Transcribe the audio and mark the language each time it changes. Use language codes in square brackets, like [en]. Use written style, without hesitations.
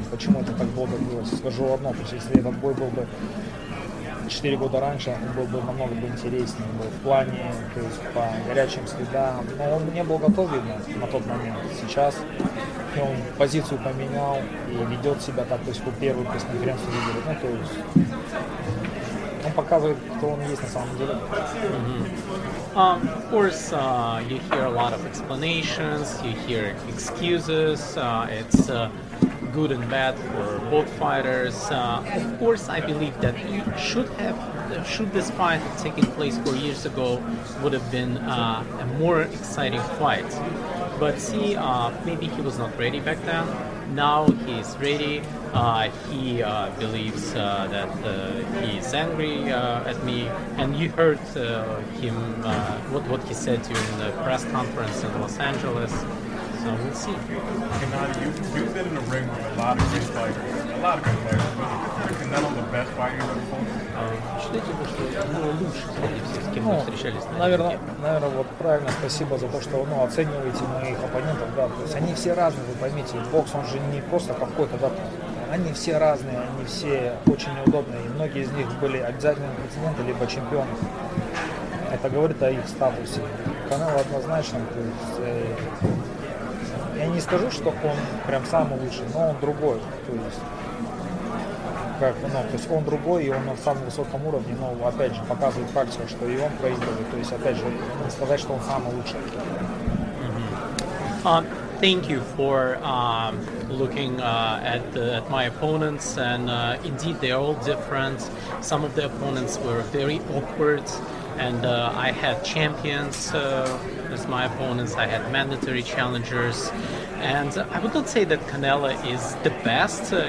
[ru] Почему это так долго длилось? Скажу одно, то есть если этот бой был бы 4 года раньше, он был бы намного бы интереснее был в плане, то есть по горячим следам. Но он не был готов, видно, на тот момент. Сейчас он позицию поменял и ведет себя так, то есть по первую пресс-конференцию выиграет. Ну, то есть он показывает, кто он есть на самом деле. [en] Of course, you hear a lot of explanations, you hear excuses, it's good and bad for both fighters. Of course, I believe that you should have, should this fight have taken place 4 years ago, would have been a more exciting fight. But see, maybe he was not ready back then. Now he is ready. He believes that he is angry at me, and you heard him what he said to you in the press conference in Los Angeles. So we'll see. Gennadiy, you've been in the ring with a lot of great fighters, a lot of good fighters, but Canelo the best fighter you've ever fought? [ru] Считаете вы, что Канело лучше среди всех, с кем вы встречались? Наверное, вот правильно, спасибо за то, что оцениваете моих оппонентов, да. То есть они все разные, вы поймите, бокс он же не просто какой-то, да. Они все разные, они все очень неудобные, и многие из них были обязательно прецеденты либо чемпионы. Это говорит о их статусе. Канело однозначно, то есть я не скажу, что он прям самый лучший, но он другой. То есть, как, ну, то есть он другой, и он на самом высоком уровне, но опять же показывает практику, что и он проигрывает. То есть опять же не сказать, что он самый лучший. [en] Thank you for looking at my opponents, and indeed they're all different. Some of the opponents were very awkward, and I had champions as my opponents. I had mandatory challengers, and I would not say that Canelo is the best.